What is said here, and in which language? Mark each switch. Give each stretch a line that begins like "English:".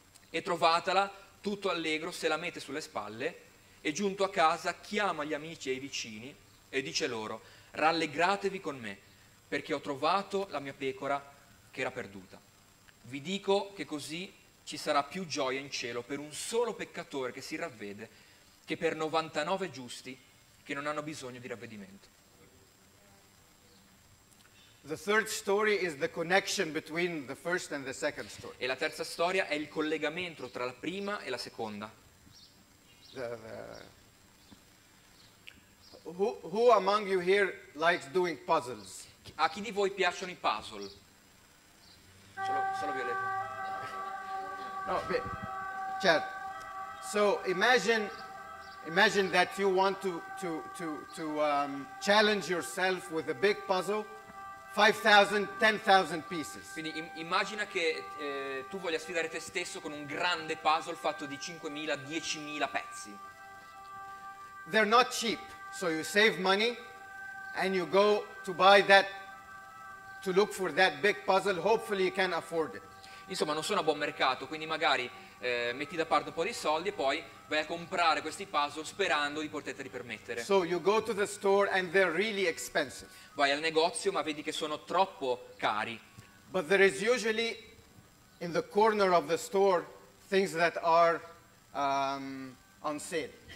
Italian: E trovatela, tutto allegro se la mette sulle spalle, e giunto a casa chiama gli amici e i vicini e dice loro: rallegratevi con me, perché ho trovato la mia pecora che era perduta. Vi dico che così ci sarà più gioia in cielo per un solo peccatore che si ravvede che per 99 giusti che non hanno bisogno di ravvedimento».
English: The third story is the connection between the first and the second story.
Italian: E la terza storia è il collegamento tra la prima e la seconda.
English: Who among you here likes doing puzzles?
Italian: A chi di voi piacciono i puzzle? Solo Violetta.
English: No, Chad. So imagine that you want to challenge yourself with a big puzzle. 5,000, 10,000 pieces.
Italian: Quindi immagina che tu voglia sfidare te stesso con un grande puzzle fatto di 5,000, 10,000 pezzi.
English: They're not cheap, so you save money and you go to buy that, to look for that big puzzle, hopefully you can afford it.
Italian: Insomma, non sono a buon mercato, quindi magari metti da parte un po' di soldi e poi vai a comprare questi puzzle sperando di poterti permettere.
English: So you go to the store and they're really expensive.
Italian: Vai al negozio ma vedi che sono troppo cari.
English: But there is usually in the corner of the store things that are on sale.